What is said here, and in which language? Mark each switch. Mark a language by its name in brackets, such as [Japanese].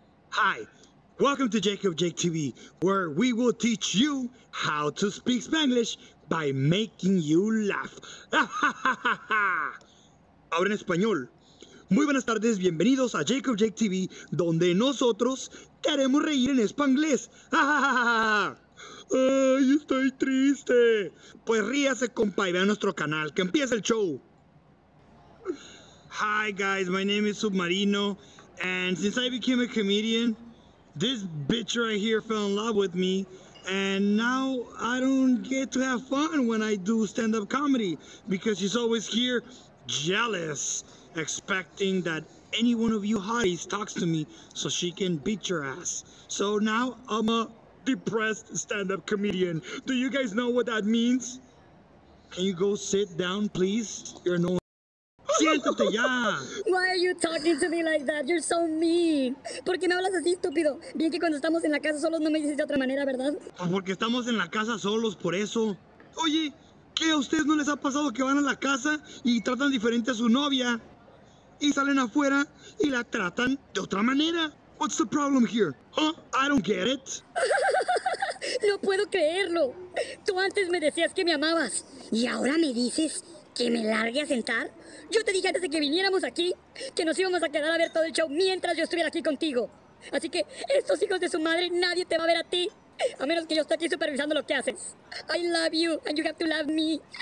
[English] Hi, welcome to Jacob Jake TV, where we will teach you how to speak Spanish by making you laugh. [Spanish] Ahora en español. Muy buenas tardes, bienvenidos a Jacob Jake TV, donde nosotros queremos reír en Spanglés. ¡Ay, estoy triste! Pues ríase, compa, y vea nuestro canal, que empieza el show. [English] Hi guys, my name is Submarino, and since I became a comedian, this bitch right here fell in love with me, and now I don't get to have fun when I do stand-up comedy, because she's always here, jealous, expecting that any one of you hotties talks to me so she can beat your ass. So now I'm a depressed stand-up comedian. Do you guys know what that means? Can you go sit down, please? You're annoying. [Spanish] Siéntate ya. [English] Why are you talking to me like that? You're so mean. [Spanish] ¿Por qué me hablas así, estúpido? Bien que cuando estamos en la casa solos no me dices de otra manera, ¿verdad? Pues porque estamos en la casa solos, por eso. Oye, ¿qué a ustedes no les ha pasado que van a la casa y tratan diferente a su novia y salen afuera y la tratan de otra manera? [English] What's the problem here? Huh? I don't get it. [Spanish] No puedo creerlo. Tú antes me decías que me amabas y ahora me dices ¿que me largue a sentar? Yo te dije antes de que viniéramos aquí que nos íbamos a quedar a ver todo el show mientras yo estuviera aquí contigo. Así que estos hijos de su madre, nadie te va a ver a ti. A menos que yo esté aquí supervisando lo que haces. [English] I love you and you have to love me.